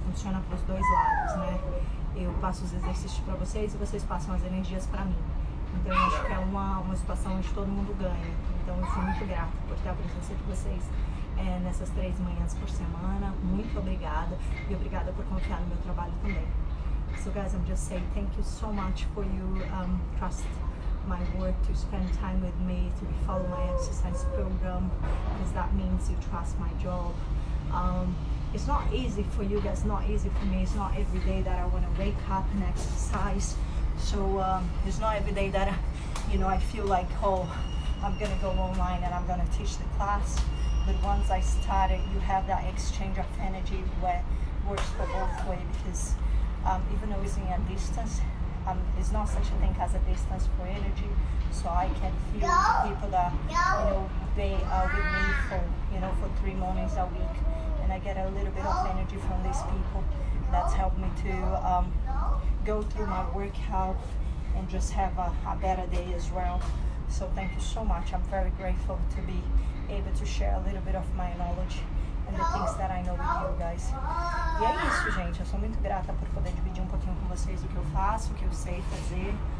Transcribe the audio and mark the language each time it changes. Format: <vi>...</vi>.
<pt>Funciona para os dois lados, né? Eu passo os exercícios para vocês e vocês passam as energias para mim. Então, eu acho que é uma situação onde todo mundo ganha. Então, eu sou muito grata por ter a presença de vocês nessas três manhãs por semana. Muito obrigada. E obrigada por confiar no meu trabalho também.</pt> <en>So, guys, I'm just saying thank you so much for you trust my work, to spend time with me, to follow my exercise program, because that means you trust my job. It's not easy for you guys, not easy for me. It's not every day that I want to wake up and exercise. So it's not every day that I feel like, oh, I'm gonna go online and I'm gonna teach the class. But once I started, you have that exchange of energy where it works for both ways, because even though it's in a distance, it's not such a thing as a distance for energy. So I can feel people that, they are with me for 3 mornings a week. And I get a little bit of energy from these people. That's helped me to go through my workout and just have a better day as well. So thank you so much. I'm very grateful to be able to share a little bit of my knowledge and the things that I know with you guys.</en> <pt>E é isso, gente. Eu sou muito grata por poder dividir um pouquinho com vocês o que eu faço, o que eu sei fazer.</pt>